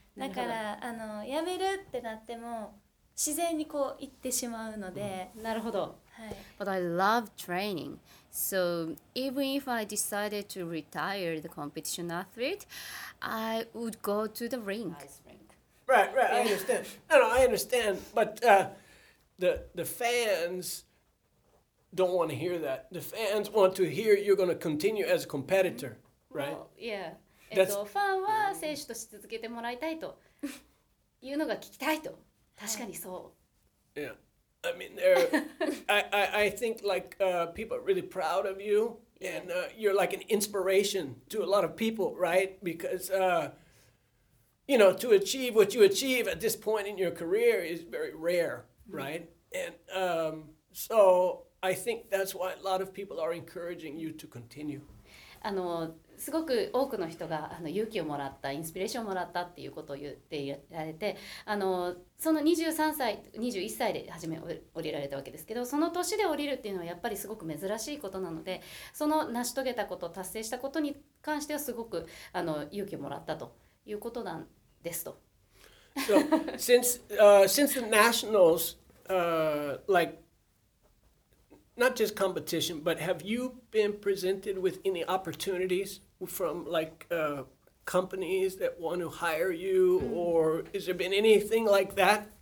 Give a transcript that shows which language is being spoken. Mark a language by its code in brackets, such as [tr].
[ja] だからやめるってなっても自然にこう行ってしまうので、うん、なるほど、はい、 [en] But I love training. So even if I decided to retire the competition athlete, I would go to the rink. Right, right, I understand. I understand. But the fans don't want to hear that. The fans want to hear you're going to continue as a competitor, right? Well, yeah. [ja] ファンは選手として続けてもらいたいというのが聞きたいと。確かにそう。 [en] Yeah. I mean, they're, I think like, people are really proud of you. And you're like an inspiration to a lot of people, right? Because, you know, to achieve what you achieve at this point in your career is very rare, right? And so I think that's why a lot of people are encouraging you to continue. [ja] すごく多くの人が勇気をもらった、インスピレーションをもらったっていうことを言ってられて、その23歳、21歳で初め降りられたわけですけど、その年で降りるっていうのはやっぱりすごく珍しいことなので、その成し遂げたこと、達成したことに関してはすごく勇気をもらったということなんですと。 [en] So, since the Nationals, like,Not just competition, but have you been presented with any opportunities from like companies that want to hire you, or has there been anything like that?